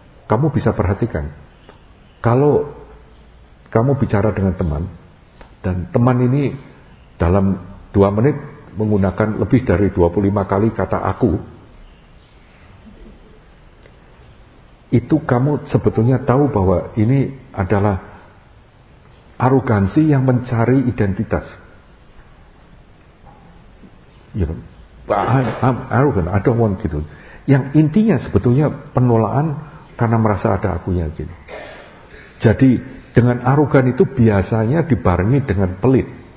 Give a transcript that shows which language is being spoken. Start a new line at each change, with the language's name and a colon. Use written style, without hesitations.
Indonesian: Kamu bisa perhatikan, kalau kamu bicara dengan teman dan teman ini dalam 2 menit menggunakan lebih dari 25 kali kata aku, itu kamu sebetulnya tahu bahwa ini adalah arogansi yang mencari identitas.
English: You know, I'm arrogant, I don't want gitu.
Indonesian: Yang intinya sebetulnya penolakan karena merasa ada akunya gitu. Jadi dengan arogan itu biasanya dibarengi dengan pelit.